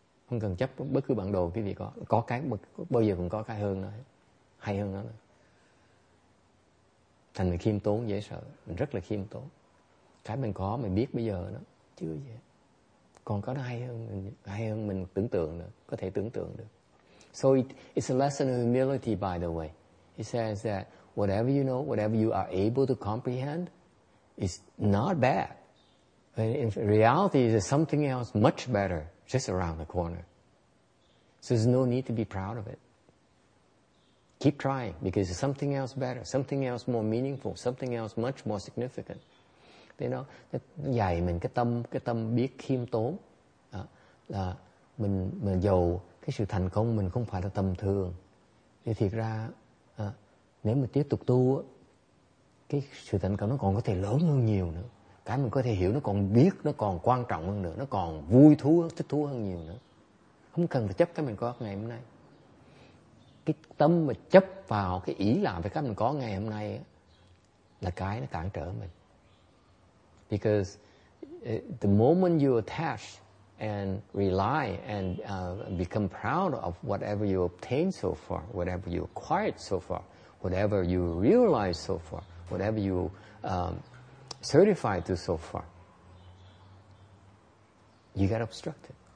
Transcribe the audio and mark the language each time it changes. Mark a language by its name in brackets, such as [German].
[Vietnamese] Không cần chấp bất cứ bản đồ quý vị có. Có cái bao giờ cũng có cái hơn đó, hay hơn đó nữa. Thành mình khiêm tốn dễ sợ, mình rất là khiêm tốn. Cái mình có mình biết bây giờ nó chưa gì. Còn có nó hay hơn mình tưởng tượng nữa, có thể tưởng tượng được. [English] So it's a lesson of humility, by the way. It says that whatever you know, whatever you are able to comprehend, is not bad. In reality, there's something else much better just around the corner. So there's no need to be proud of it. Keep trying, because there's something else better, something else more meaningful, something else much more significant. [Vietnamese] Thế nó dạy mình cái tâm biết khiêm tốn đó, là mình giàu cái sự thành công mình không phải là tầm thường. Thì thiệt ra nếu mình tiếp tục tu á, cái sự thành công nó còn có thể lớn hơn nhiều nữa. Cái mình có thể hiểu, nó còn biết, nó còn quan trọng hơn nữa, nó còn vui thú, thích thú hơn nhiều nữa. Không cần phải chấp cái mình có ngày hôm nay. Cái tâm mà chấp vào cái ý làm về cái mình có ngày hôm nay á, là cái nó cản trở mình. [English] Because the moment you attach and rely and become proud of whatever you obtained so far, whatever you acquired so far, whatever you realized so far, whatever you certified to so far, you got obstructed.